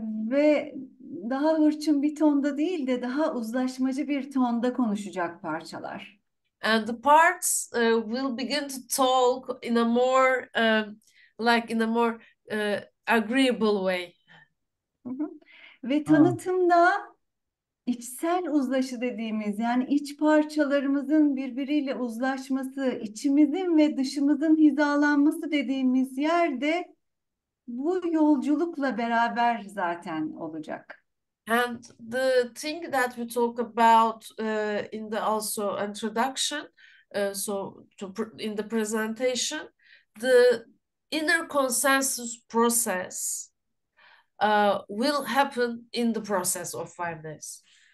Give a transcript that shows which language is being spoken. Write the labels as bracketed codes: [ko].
[tr] Ve daha hırçın bir tonda değil de daha uzlaşmacı bir tonda konuşacak parçalar. [en] And the parts will begin to talk in a more like in a more agreeable way. [tr] Ve tanıtımda içsel uzlaşı dediğimiz yani iç parçalarımızın birbiriyle uzlaşması, içimizin ve dışımızın hizalanması dediğimiz yerde bu yolculukla beraber zaten olacak. [en] And the thing that we talk about in the also introduction, so to in the presentation, the inner consensus process will happen in the process of 5 days.